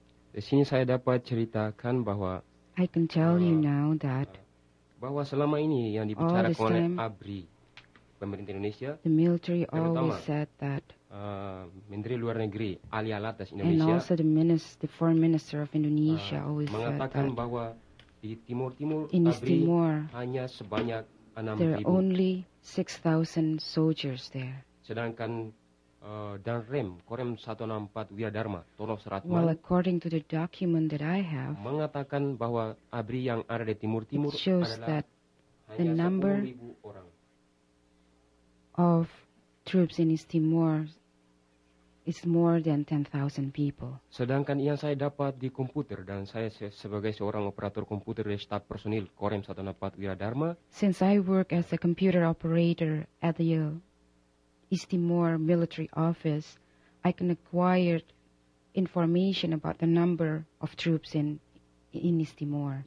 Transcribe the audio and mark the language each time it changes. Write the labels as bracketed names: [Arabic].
[Indonesian] Di sini saya dapat ceritakan bahwa [English] I can tell you now that [Indonesian] bahwa selama ini yang dibicarakan oleh ABRI, pemerintah Indonesia, [English] the military always said that [Indonesian] Menteri Luar Negeri Ali Alatas Indonesia [English] and also the minister, the foreign minister of Indonesia always [Indonesian] mengatakan bahwa di Timur-Timur [English] in East Timor, [Indonesian] hanya sebanyak 6,000. [English] There are only 6,000 soldiers there. [Indonesian] Sedangkan dan Rem, Korem 164 Wiradharma, Tonoh Seratman, [English] well, according to the document that I have, [Indonesian] mengatakan bahwa ABRI yang ada di Timur-Timur [English] it shows [Indonesian] adalah [English] that [Indonesian] hanya [English] the number [Indonesian] 10,000 orang. [English] Of troops in East Timor is more than 10,000 people. [Indonesian] Sedangkan yang saya dapat di komputer dan saya sebagai seorang operator komputer di staf personil Korem 164 Wiradharma, [English] since I work as a computer operator at the East Timor military office, I can acquire information about the number of troops in East Timor.